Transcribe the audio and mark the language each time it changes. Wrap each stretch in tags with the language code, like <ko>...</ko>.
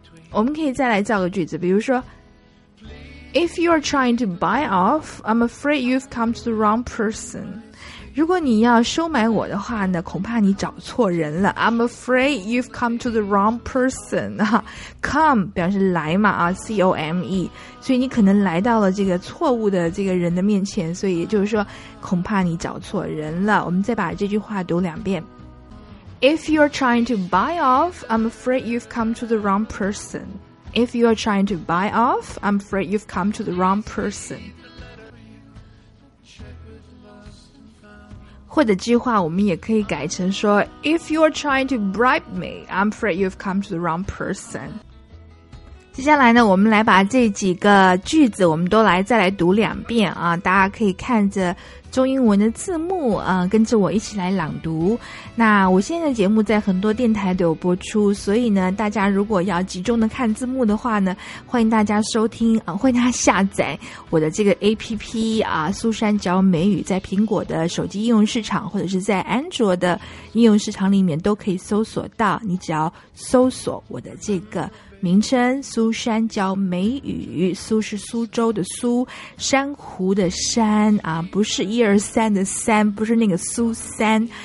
<zh>我们可以再来造个句子，比如说</zh> <en>，If you are trying to buy off, I'm afraid you've come to the wrong person.</en> <zh>如果你要收买我的话呢，恐怕你找错人了。</zh> <en>I'm afraid you've come to the wrong person.</en> <zh>Come 表示来嘛啊 ，C-O-M-E， 所以你可能来到了这个错误的这个人的面前，所以也就是说，恐怕你找错人了。我们再把这句话读两遍。</zh> <en>If you're trying to buy off, I'm afraid you've come to the wrong person. If you're trying to buy off, I'm afraid you've come to the wrong person.</en> <zh>或者计划我们也可以改成说</zh> <en>If you're trying to bribe me, I'm afraid you've come to the wrong person.</en> <zh>接下来呢，我们来把这几个句子我们都来再来读两遍啊，大家可以看着中英文的字幕啊，跟着我一起来朗读。那我现在的节目在很多电台都有播出，所以呢，大家如果要集中的看字幕的话呢，欢迎大家收听啊，欢迎大家下载我的这个 APP 啊，苏珊教美语，在苹果的手机应用市场或者是在安卓的应用市场里面都可以搜索到，你只要搜索我的这个名称苏珊教美语，苏是苏州的苏，珊瑚的珊啊，不是一二三的三，不是那个苏珊，</zh>